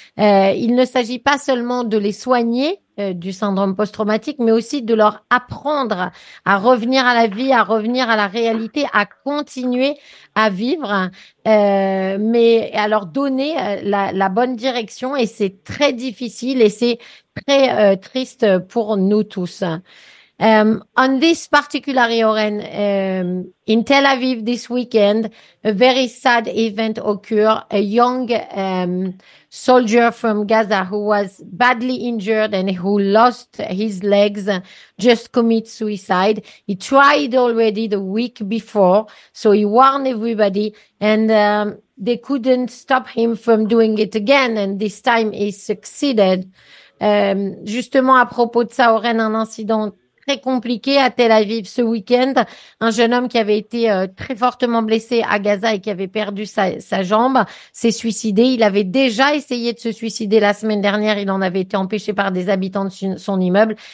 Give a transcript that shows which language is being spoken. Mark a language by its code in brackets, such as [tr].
[fr] Il ne s'agit pas seulement de les soigner du syndrome post-traumatique, mais aussi de leur apprendre à revenir à la vie, à revenir à la réalité, à continuer à vivre, mais à leur donner la bonne direction. Et c'est très difficile et c'est très triste pour nous tous. [en] On this particular Oren, in Tel Aviv this weekend, a very sad event occurred. A young soldier from Gaza who was badly injured and who lost his legs just commit suicide. He tried already the week before, so he warned everybody and they couldn't stop him from doing it again. And this time he succeeded. [fr] Justement, à propos de ça, Oren, un incident très compliqué à Tel Aviv ce week-end. Un jeune homme qui avait été très fortement blessé à Gaza et qui avait perdu sa jambe s'est suicidé. Il avait déjà essayé de se suicider la semaine dernière. Il en avait été empêché par des habitants de son immeuble.